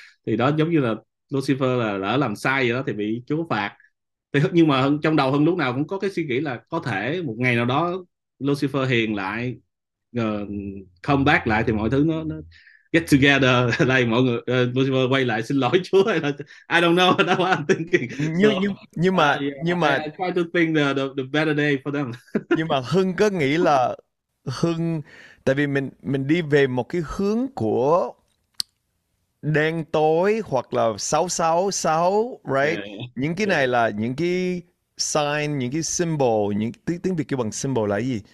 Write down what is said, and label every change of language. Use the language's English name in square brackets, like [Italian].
[Vietnamese] Thì đó giống như là Lucifer là lỡ làm sai gì đó thì bị Chúa phạt. Thì nhưng mà trong đầu Hưng lúc nào cũng có cái suy nghĩ là có thể một ngày nào đó Lucifer hiền lại, [English] come back [Vietnamese] lại thì mọi thứ nó [English] get together [Vietnamese] đây, mọi người Lucifer quay lại xin lỗi Chúa, hay là [English] I don't know, that's what I'm thinking. So I try to think the better [Vietnamese] nhưng mà Hưng có nghĩ là Hưng tại vì mình đi về một cái hướng của đen tối hoặc là 666, right? [English] them. [Vietnamese] Những cái này là những cái sign, những cái symbol, những tiếng Việt kêu bằng symbol là gì?